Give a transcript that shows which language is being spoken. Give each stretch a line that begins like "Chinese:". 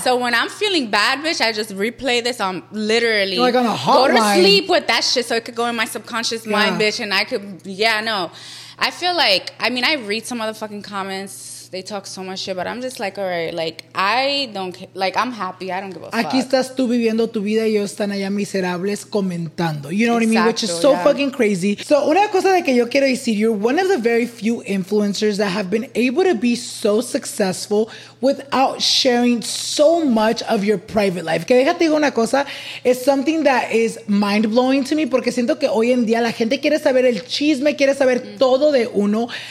English: So when I'm feeling bad, bitch, I just replay this on literally. Like on a hotline. Go to sleep with that shit so it could go in my subconscious mind, bitch. And I could, I feel like, I mean, I read some motherfucking comments. They talk so much shit, but I'm just like, all right, like, I don't care. Like, I'm happy. I don't give a fuck.
Spanish: Aquí estás tú viviendo tu vida y ellos están allá miserables comentando.
English: You know what I mean? Which is so fucking crazy. So,
Spanish: una cosa de que yo quiero decir,
English: you're one of the very few influencers that have been able to be so successful without sharing so much of your private life.
Spanish: Que déjate digo una cosa,
English: it's something that is mind-blowing to me
Spanish: porque siento que hoy en día la gente quiere saber el chisme, quiere saber todo de uno.